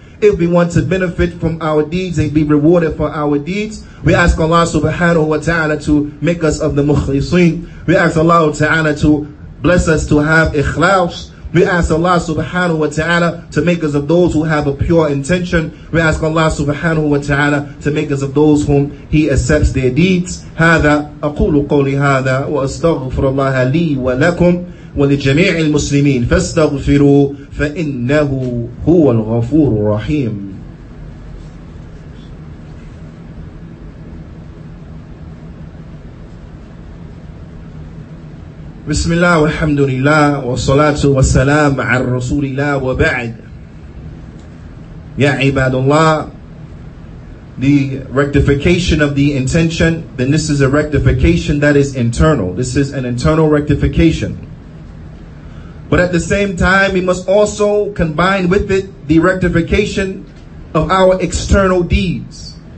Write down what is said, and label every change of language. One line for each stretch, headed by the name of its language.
English: If we want to benefit from our deeds and be rewarded for our deeds, we ask Allah subhanahu wa ta'ala to make us of the mukhlisin. We ask Allah ta'ala to bless us to have ikhlas. We ask Allah subhanahu wa ta'ala to make us of those who have a pure intention. We ask Allah subhanahu wa ta'ala to make us of those whom He accepts their deeds.
Arabic: هَذَا أَقُولُ قَوْلِ هَذَا وَأَسْتَغْفِرُ اللَّهَ لِي وَلَكُمْ ولجميع المسلمين فاستغفروا فإنه هو الغفور الرحيم. بسم الله والحمد لله والصلاة والسلام على رسول الله وبعد. يا عباد الله,
English: the rectification of the intention, then this is a rectification that is internal. This is an internal rectification. But at the same time, we must also combine with it the rectification of our external deeds.